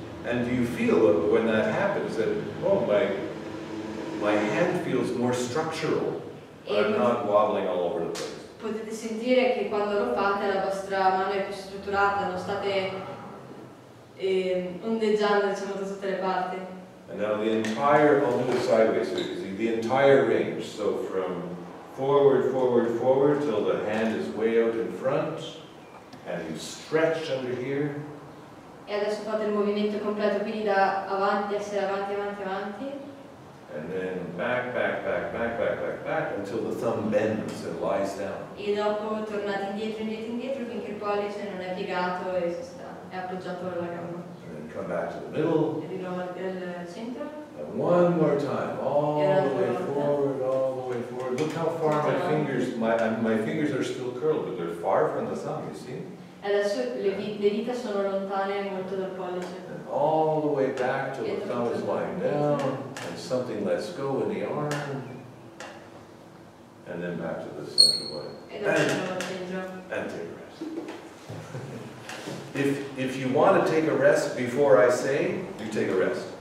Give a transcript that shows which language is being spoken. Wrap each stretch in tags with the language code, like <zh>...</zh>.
<en>And do you feel when that happens that my hand feels more structural, but I'm not wobbling all over the place.</en> <it>Potete sentire che quando lo fate la vostra mano è più strutturata, non state ondeggiando diciamo da tutte le parti.</it> <en>And now the entire, I'll do it sideways, so you can see the entire range, so from forward, forward, forward, till the hand is way out in front, and you stretch under here.</en> <it>E adesso fate il movimento completo, quindi da avanti, essere avanti, avanti, avanti.</it> <en>And then back, back, back, back, back, back, back, until the thumb bends and lies down.</en> <it>E dopo tornate indietro, indietro, indietro, finché il pollice non è piegato e si sta, è appoggiato alla gamba.</it> <en>And then come back to the middle.</en> <it>E di nuovo al centro.</it> <en>And one more time, all the way forward, all the way forward. Look how far my fingers, my fingers are still curled, but they're far from the thumb, you see?</en> <it>Adesso le dita sono lontane molto dal pollice.</it> <en>And all the way back to the thumb is lying down, and something lets go in the arm, and then back to the central body. And take a rest. If you want to take a rest before I say, you take a rest.</en>